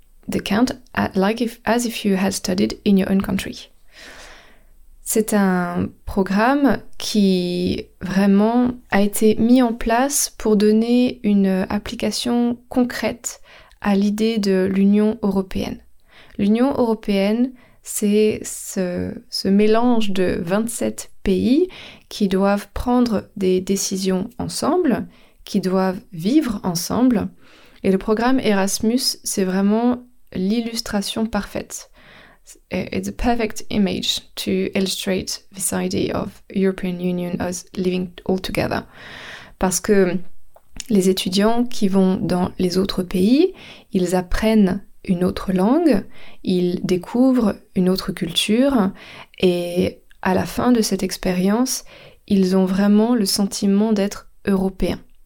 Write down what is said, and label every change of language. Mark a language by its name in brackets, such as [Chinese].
[English] They count as if you had studied in your own country. [French] C'est un programme qui vraiment a été mis en place pour donner une application concrète à l'idée de l'Union européenne. L'Union européenne, c'est ce mélange de 27 pays qui doivent prendre des décisions ensemble, qui doivent vivre ensemble. Et le programme Erasmus, c'est vraiment l'illustration parfaite. [English] It's a perfect image to illustrate this idea of European Union as living all together. [French] Parce que les étudiants qui vont dans les autres pays, ils apprennent une autre langue, ils découvrent une autre culture, et à la fin de cette expérience, ils ont vraiment le sentiment d'être européens.